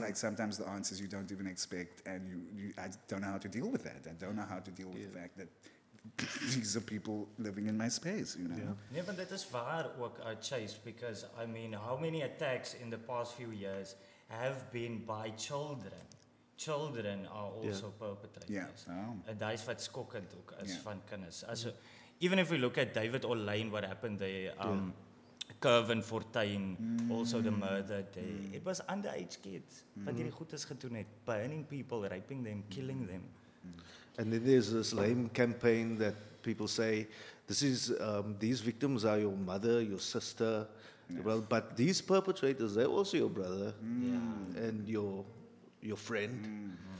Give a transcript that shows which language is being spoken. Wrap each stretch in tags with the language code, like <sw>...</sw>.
<en>Like, sometimes the answers you don't even expect, and I don't know how to deal with that. I don't know how to deal with the fact that these are people living in my space, you know? Yeah, but that is</en> <af>waar ook,</af> <en>Chase, because, I mean, how many attacks in the past few years have been by children? Children are also perpetrators. Yeah.</en> <af>Dat is wat skokkend ook is van Kinnis.</af> <en>Also, even if we look at David Olijn, what happened there, Kevin Fortuyn, also the murder there. Mm. It was underage kids,</en> <af>wat hierdie goed is gedoen het,</af> <en>burning people, raping them, killing them. Mm. And then there's this lame campaign that people say, this is these victims are your mother, your sister, well, but these perpetrators, they're also your brother and your friend.</en>